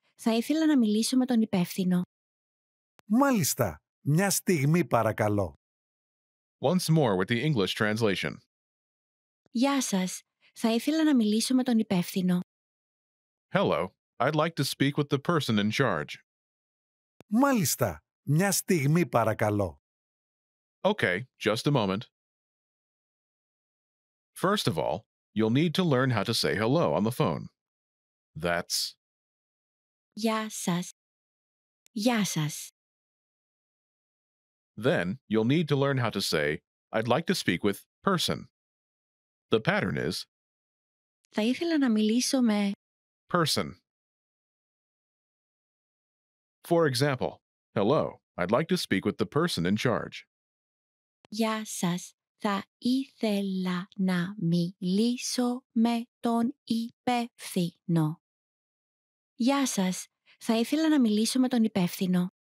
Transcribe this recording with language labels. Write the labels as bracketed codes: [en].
[el] Θα ήθελα να μιλήσω με τον υπεύθυνο. Μάλιστα. Μια στιγμή, παρακαλώ. [en] Once more with the English translation. [el] Γεια σας. Θα ήθελα να μιλήσω με τον υπεύθυνο. [en] Hello, I'd like to speak with the person in charge. [el] Μάλιστα. Μια στιγμή, παρακαλώ. [en] Okay, just a moment. First of all, you'll need to learn how to say hello on the phone. That's... [el] Γεια σας. Γεια σας. [en] Then, you'll need to learn how to say, I'd like to speak with person. The pattern is... [el] Θα ήθελα να μιλήσω με... [en] Person. For example, hello, I'd like to speak with the person in charge. [el] Γεια σας. Θα ήθελα να μιλήσω με τον υπεύθυνο. Γεια σας. Θα ήθελα να μιλήσω με τον υπεύθυνο.